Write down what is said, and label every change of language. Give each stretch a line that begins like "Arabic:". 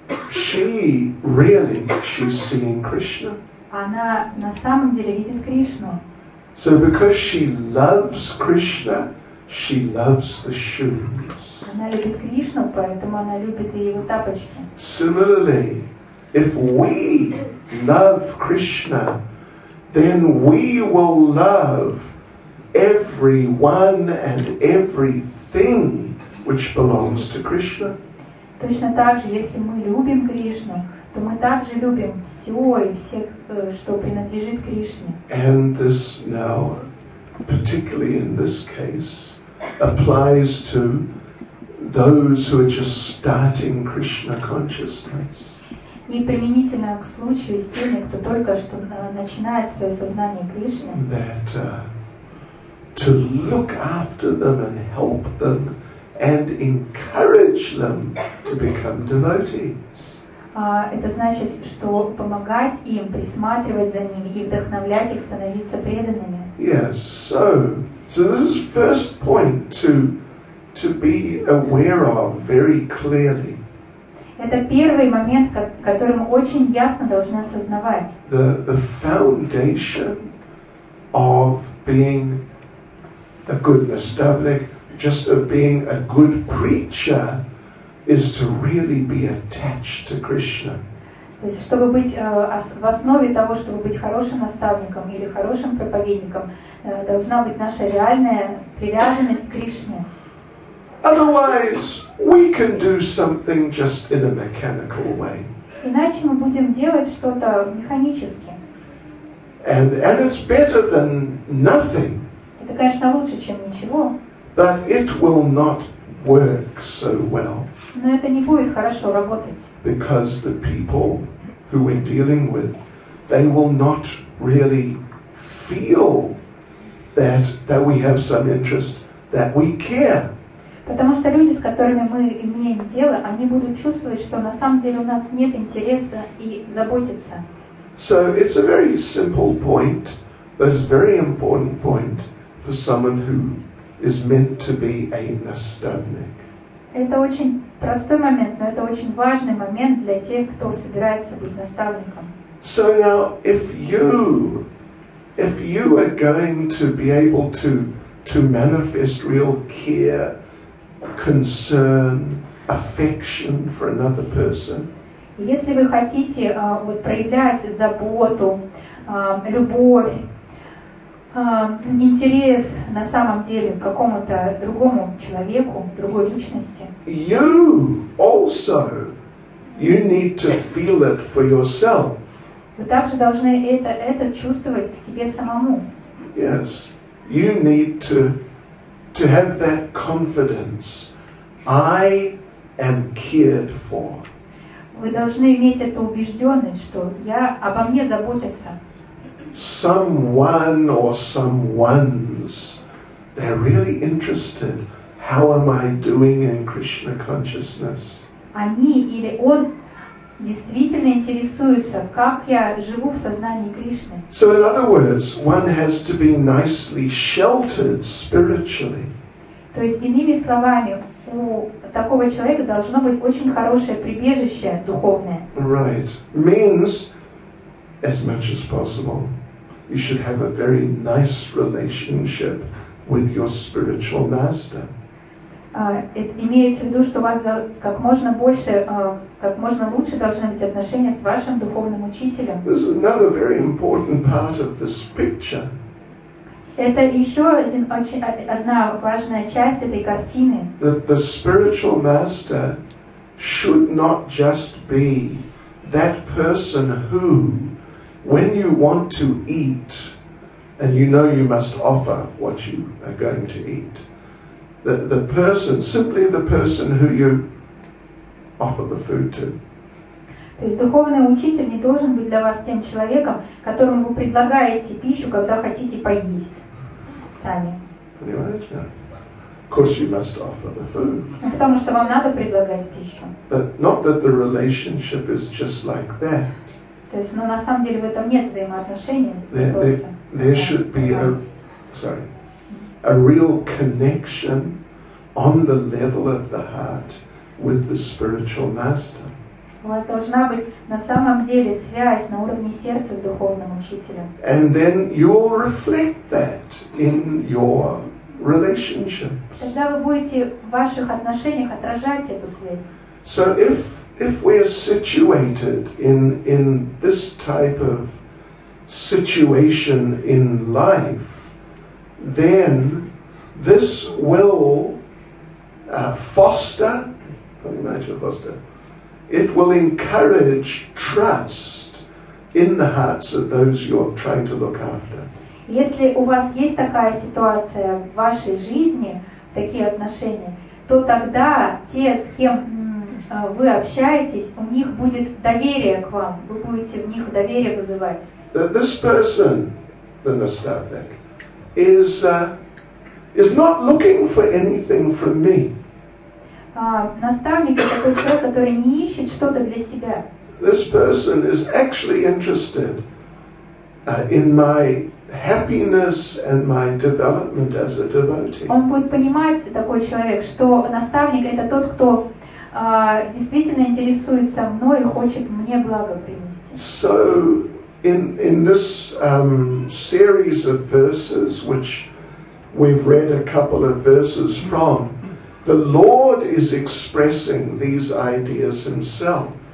English: She's seeing Krishna.
Russian: Она на самом деле видит Кришну.
English: So because she loves Krishna, She loves the shoes.
Russian: Она любит Кришну, поэтому она любит и его тапочки.
English: Similarly, if we love Krishna, then we will love everyone and everything which belongs to Krishna.
Russian: Точно так же, если мы любим Кришну, то мы также любим все и всех, что принадлежит Кришне.
English: And this now, particularly in this case, applies to those who are just starting Krishna consciousness.
Russian: И применительно к случаю с теми, кто только что начинает свое сознание Кришны.
English: That to look after them and help them and encourage them to become devotees.
Russian: Это значит, что помогать им, присматривать за ними и вдохновлять их становиться преданными.
English: Yes, so this is first point to be aware of very clearly.
Russian: Это первый момент, который мы очень ясно должны осознавать.
English: The foundation of being a good наставник, just of being a good preacher, is to really be attached to Krishna.
Russian: То есть, чтобы быть в основе того, чтобы быть хорошим наставником или хорошим проповедником, должна быть наша реальная привязанность к Кришне.
English: Otherwise, we can do something just in a mechanical way.
Russian: Иначе мы будем делать что-то механически.
English: And it's better than nothing.
Russian: Это, конечно, лучше, чем ничего.
English: But it will not work so well.
Russian: Но это не будет хорошо работать.
English: Because the people who we're dealing with, they will not really feel that we have some interest, that we care.
Russian: Потому что люди, с которыми мы имеем дело, они будут чувствовать, что на самом деле у нас нет интереса и заботиться.
English: So it's a very simple point, but it's a very important point for someone who is meant to be a наставник.
Russian: Это очень простой момент, но это очень важный момент для тех, кто собирается быть наставником.
English: So now, if you are going to be able to manifest real care, concern, affection for another person.
Russian: Если вы хотите проявлять заботу, любовь, интерес на самом деле к какому-то другому человеку, другой личности.
English: You also, you need to feel it for yourself.
Russian: Вы также должны это чувствовать к себе самому.
English: Yes, you need to have that confidence. I am cared for.
Russian: Вы должны иметь эту убежденность, что я обо мне заботятся.
English: Someone or some ones, they're really interested. How am I doing in Krishna consciousness?
Russian: Они или он действительно интересуются, как я живу в сознании Кришны.
English: So in other words, one has to be nicely sheltered spiritually.
Russian: То есть иными словами, у такого человека должно быть очень хорошее прибежище духовное.
English: Right. Means as much as possible. You should have a very nice relationship with your spiritual master.
Russian: Имеется в виду, что у вас как можно больше, как можно лучше должны быть отношения с вашим духовным учителем.
English: This is another very important part of this picture.
Russian: Это еще одна важная часть этой картины.
English: The spiritual master should not just be that person who, when you want to eat, and you know you must offer what you are going to eat, the person, simply the person who you offer the food to.
Russian: То есть духовный учитель не должен быть для вас тем человеком, которому вы предлагаете пищу, когда хотите поесть сами. Понимаете?
English: Of course you must offer the food.
Russian: Потому что вам надо предлагать пищу.
English: But not that the relationship is just like that.
Russian: То есть, но на самом деле в этом нет взаимоотношений.
English: There should be a real connection on the level of the heart with the spiritual master.
Russian: У вас должна быть на самом деле связь на уровне сердца с духовным учителем.
English: And then you will reflect that in your relationships.
Russian: Тогда вы будете в ваших отношениях отражать эту связь.
English: So if we are situated in this type of situation in life, then this will foster, it will encourage trust in the hearts of those you are trying to look after.
Russian: Если у вас есть такая ситуация в вашей жизни, такие отношения, то тогда те, с кем вы общаетесь, у них будет доверие к вам, вы будете в них доверие вызывать.
English: This person, the nostalgic, is not looking for anything from me.
Russian: Наставник — это тот человек, который не ищет что-то для себя.
English: This person is actually interested in my happiness and my development as a devotee.
Russian: Он будет понимать, такой человек, что наставник — это тот, кто действительно интересуется мной и хочет мне благо принести.
English: So in this series of verses, which we've read a couple of verses from, the Lord is expressing these ideas himself.